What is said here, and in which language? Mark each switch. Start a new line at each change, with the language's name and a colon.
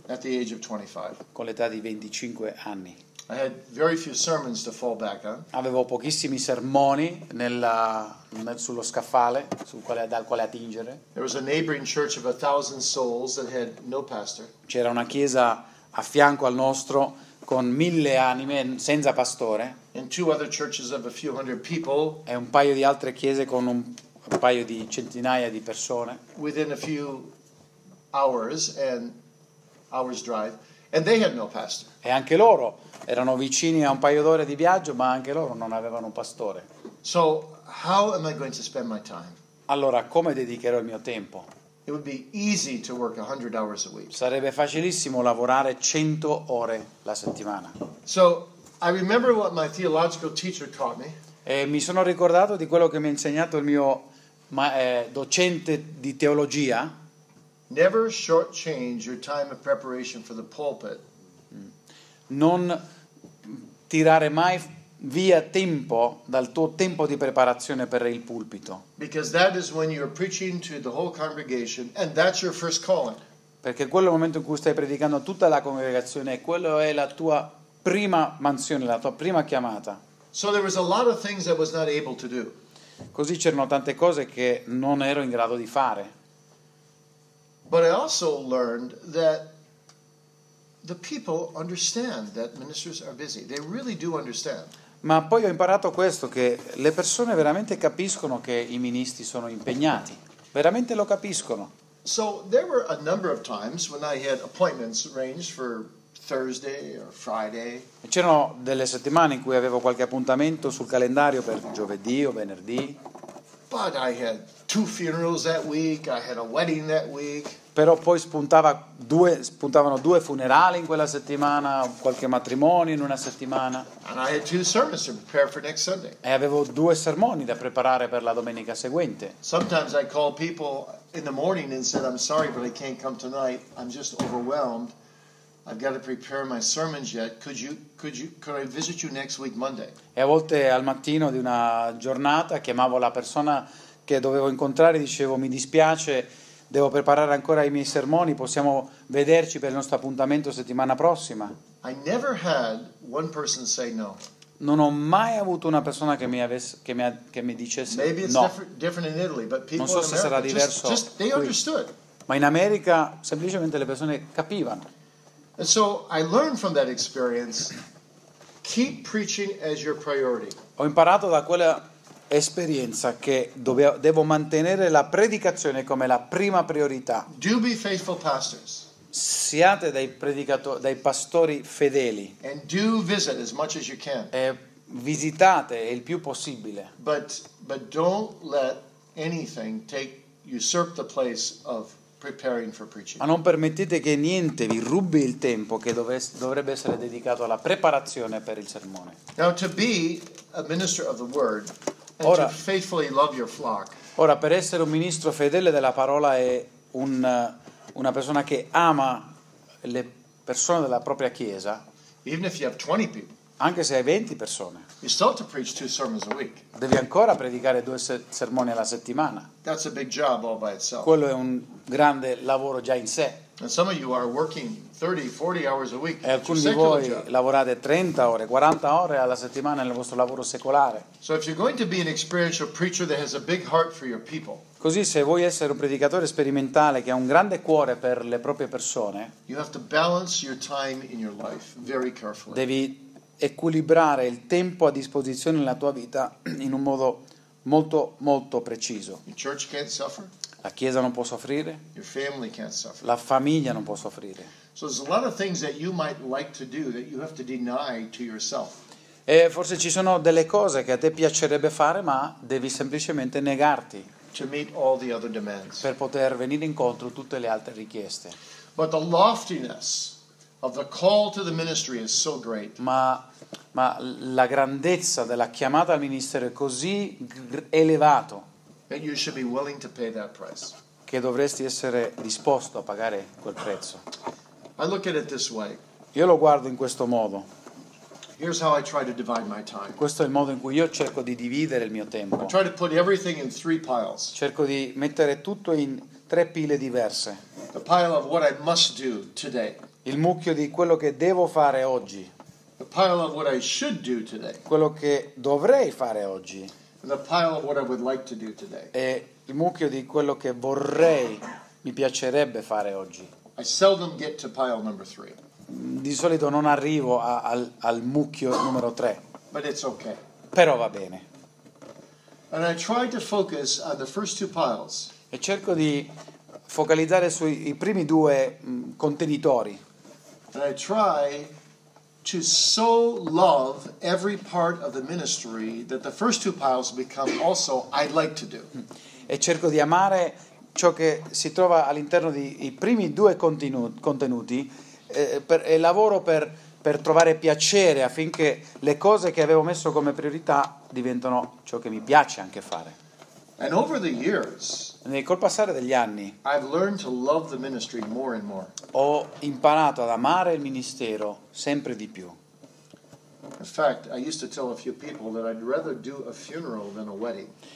English: At the age of 25.
Italian: Con l'età di 25 anni.
English: I had very few sermons to fall back on.
Italian: Avevo pochissimi sermoni sullo scaffale dal quale attingere.
English: There was a neighboring church of 1,000 souls that had no pastor.
Italian: C'era una chiesa a fianco al nostro con 1,000 anime senza pastore.
English: And two other churches of a few hundred people.
Italian: E un paio di altre chiese con un paio di centinaia di persone.
English: Within a few hours and hours drive, and they had no pastor.
Italian: E anche loro erano vicini a un paio d'ore di viaggio, ma anche loro non avevano un pastore.
English: So, how am I going to spend my time?
Italian: Allora, come dedicherò il mio tempo?
English: It would be easy to work 100 hours a week.
Italian: Sarebbe facilissimo lavorare 100 ore la settimana.
English: So, I remember what my theological teacher taught me.
Italian: E mi sono ricordato di quello che mi ha insegnato il mio docente di teologia.
English: Never shortchange your time of preparation for the pulpit.
Italian: Non tirare mai via tempo dal tuo tempo di preparazione per il pulpito.
English: Because that is when you're preaching to the whole congregation and that's your first calling.
Italian: Perché quello è il momento in cui stai predicando a tutta la congregazione e quello è la tua prima mansione, la tua prima chiamata.
English: So there was a lot of things I was not able to do.
Italian: Così c'erano tante cose che non ero in grado di fare.
English: But I also learned that the people understand that ministers are busy. They really do understand.
Italian: Ma poi ho imparato questo, che le persone veramente capiscono che i ministri sono impegnati. Veramente lo capiscono.
English: So there were a number of times when I had appointments arranged for Thursday or Friday.
Italian: C'erano delle settimane in cui avevo qualche appuntamento sul calendario per giovedì o venerdì.
English: But I had two funerals that week, I had a wedding that week.
Italian: Però poi spuntavano due funerali in quella settimana, qualche matrimonio in una settimana.
English: And I had two sermons to prepare for next Sunday.
Italian: E avevo due sermoni da preparare per la domenica seguente.
English: Sometimes I call people in the morning and said, I'm sorry, but I can't come tonight. I'm just overwhelmed. I've got to prepare my sermons yet. Could I visit you next week Monday?
Italian: E a volte al mattino di una giornata chiamavo la persona che dovevo incontrare e dicevo, mi dispiace, devo preparare ancora i miei sermoni, possiamo vederci per il nostro appuntamento settimana prossima.
English: I never had one person say no.
Italian: Non ho mai avuto una persona che mi dicesse
English: no. Maybe it's different in Italy, but people
Italian: non so
English: in America,
Italian: se sarà diverso
English: they understood.
Italian: Ma in America semplicemente le persone capivano.
English: And so I learned from that experience, keep preaching as your priority.
Italian: Ho imparato da quella esperienza che devo mantenere la predicazione come la prima priorità.
English: Do be faithful pastors.
Italian: Siate dei pastori fedeli.
English: And do visit as much as you can.
Italian: E visitate il più possibile.
English: But don't let anything usurp the place of preparing for preaching.
Italian: Ma non permettete che niente vi rubi il tempo che dovrebbe essere dedicato alla preparazione per il sermone.
English: Now to be a minister of the word.
Italian: Ora,
English: to faithfully love your flock.
Italian: Ora, per essere un ministro fedele della parola è una persona che ama le persone della propria chiesa.
English: Even if you have 20 people,
Italian: anche se hai 20 persone,
English: you still have to preach two sermons a week.
Italian: Devi ancora predicare due sermoni alla settimana.
English: That's a big job all by itself.
Italian: Quello è un grande lavoro già in sé.
English: And some of you are working 30-40 hours a week.
Italian: E alcuni di voi lavorate 30 ore, 40 ore alla settimana nel vostro lavoro secolare.
English: So if you're going to be an experiential preacher that has a big heart for your people.
Italian: Così se vuoi essere un predicatore sperimentale che ha un grande cuore per le proprie persone,
English: you have to balance your time in your life very carefully.
Italian: Devi equilibrare il tempo a disposizione nella tua vita in un modo molto molto preciso.
English: Your church can't suffer.
Italian: La chiesa non può soffrire.
English: Your family can't suffer.
Italian: La famiglia non può soffrire.
English: So there's a lot of things that you might like to do that you have to deny to yourself.
Italian: E forse ci sono delle cose che a te piacerebbe fare, ma devi semplicemente negarti.
English: To meet all the other demands.
Italian: Per poter venire incontro tutte le altre richieste.
English: But the loftiness of the call to the ministry is so great.
Italian: Ma la grandezza della chiamata al ministero è così elevato.
English: And you should be willing to pay that price.
Italian: Che dovresti essere disposto a pagare quel prezzo.
English: I look at it this way.
Italian: Io lo guardo in questo modo.
English: Here's how I try to divide my time.
Italian: Questo è il modo in cui io cerco di dividere il mio tempo.
English: I try to put everything in three piles.
Italian: Cerco di mettere tutto in tre pile diverse.
English: The pile of what I must do today.
Italian: Il mucchio di quello che devo fare oggi.
English: The pile of what I should do today.
Italian: Quello che dovrei fare oggi.
English: And the pile of what I would like to do today.
Italian: E il mucchio di quello che vorrei, mi piacerebbe fare oggi.
English: I seldom get to pile number three.
Italian: Di solito non arrivo al mucchio numero 3.
English: But it's okay.
Italian: Però va bene.
English: And I try to focus on the first two piles.
Italian: E cerco di focalizzare sui primi due contenitori.
English: And I try to so love every part of the ministry that the first two piles become also I'd like to do.
Italian: E cerco di amare ciò che si trova all'interno dei primi due contenuti, e lavoro per per trovare piacere, affinché le cose che avevo messo come priorità diventano ciò che mi piace anche fare.
English: And over the years,
Italian: col passare degli anni,
English: I've learned to love the ministry more and more.
Italian: Ho imparato ad amare il ministero sempre di più.
English: In fact, I used to tell a few people that I'd rather do a funeral than a wedding.